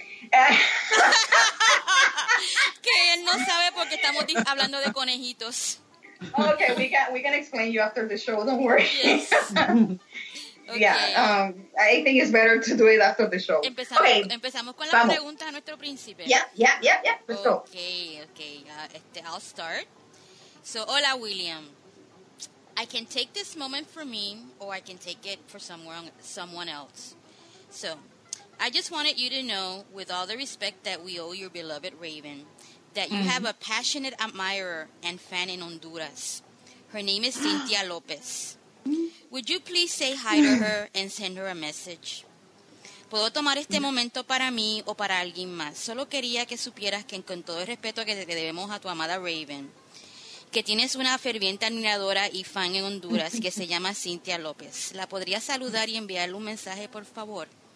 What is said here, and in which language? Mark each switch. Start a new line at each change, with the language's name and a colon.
Spanish: Que él no sabe porque estamos hablando de conejitos.
English: Okay, we can explain you after the show, don't worry. Yes. Okay. Yeah, I think it's better to do it after the show.
Spanish: Empezamos con las preguntas a nuestro príncipe.
English: Yeah, let's go. Okay, I'll start. So, hola, William. I can take this moment for me, or I can take it for someone else. So, I just wanted you to know, with all the respect that we owe your beloved Raven, that you have a passionate admirer and fan in Honduras. Her name is Cynthia Lopez. Would you please say hi to her and send her a message?
Spanish: ¿Puedo tomar este momento para mí o para alguien más? Solo quería que supieras que con todo el respeto que debemos a tu amada Raven, que tienes una ferviente admiradora y fan en Honduras que se llama Cynthia López. ¿La podrías saludar y enviarle un mensaje, por favor?